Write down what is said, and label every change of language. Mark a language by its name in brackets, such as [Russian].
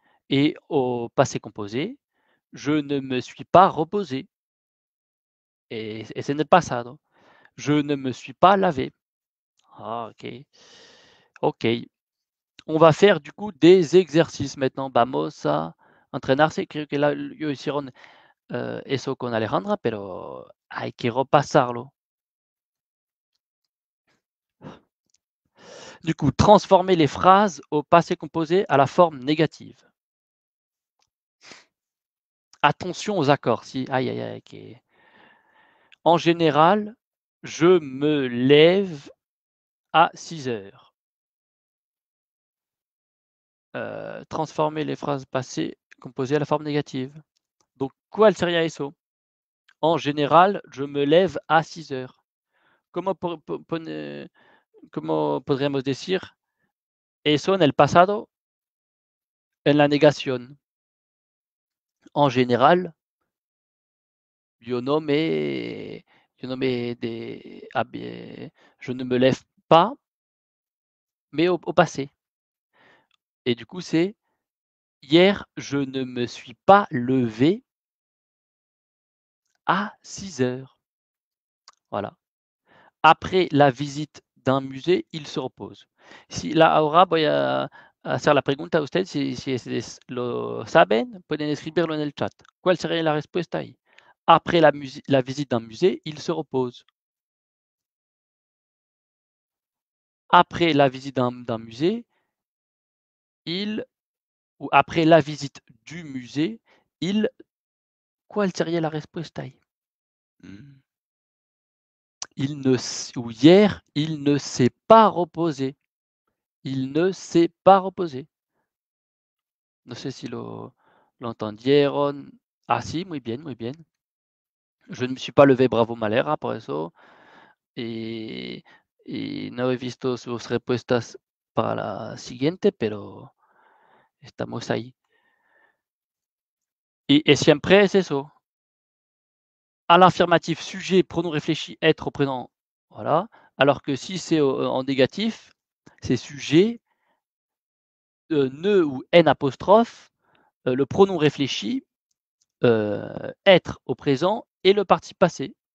[French] Et au passé composé, je ne me suis pas reposé. [Spanish] Es en el pasado. [French] Je ne me suis pas lavé. Ah, ok. Ok. On va faire du coup des exercices maintenant. [Spanish] Vamos a entrenarse. Creo que yo hicieron eso con Alejandra, pero hay que repasarlo. [French] Du coup, transformer les phrases au passé composé à la forme négative. Attention aux accords. Si, aïe, aïe, aïe. Okay. En général, je me lève à 6 heures. Transformer les phrases passées composé à la forme négative. Donc, [Spanish] ¿cuál sería eso? [French] En général, je me lève à 6 heures. [Spanish] ¿Cómo podríamos decir eso en el pasado? En la negación. [French] En général, je ne me lève pas, mais au passé. Et du coup, c'est hier, je ne me suis pas levé à 6 heures. Voilà. Après la visite d'un musée, il se repose. [Spanish] Si là, ahora voy a hacer la pregunta a usted, si lo saben, pueden escribirlo en el chat. ¿Cuál sería la respuesta ahí? [French] Après la visite d'un musée, il se repose. Après la visite d'un musée, il... Ou après la visite du musée, il... Quoi serait la réponse, Taï? Hier, il ne s'est pas reposé. Il ne s'est pas reposé. [Spanish] No sé si lo entendieron. Ah, si, muy bien, muy bien. [French] Je ne me suis pas levé, [Spanish] bravo Malera, por eso. Y no he visto sus respuestas para la siguiente, pero estamos ahí. Et siempre es eso. [French] À l'affirmatif, sujet, pronom réfléchi, être au présent. Voilà. Alors que si c'est en négatif, c'est sujet, ne ou n apostrophe, le pronom réfléchi, être au présent et le participe passé.